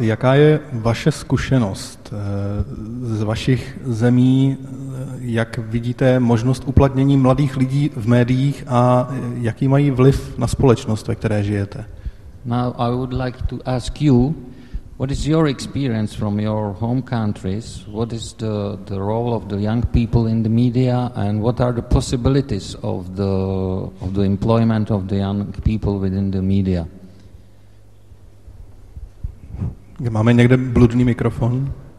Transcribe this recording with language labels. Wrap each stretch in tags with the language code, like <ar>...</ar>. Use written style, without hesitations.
<cs>Jaká je vaše zkušenost z vašich zemí? Jak vidíte možnost uplatnění mladých lidí v médiích a jaký mají vliv na společnost, ve které žijete?</cs> <en>Now I would like to ask you, what is your experience from your home countries? What is the role of the young people in the media, and what are the possibilities of the employment of the young people within the media?</en> <cs>Máme někde bludný mikrofon?</cs>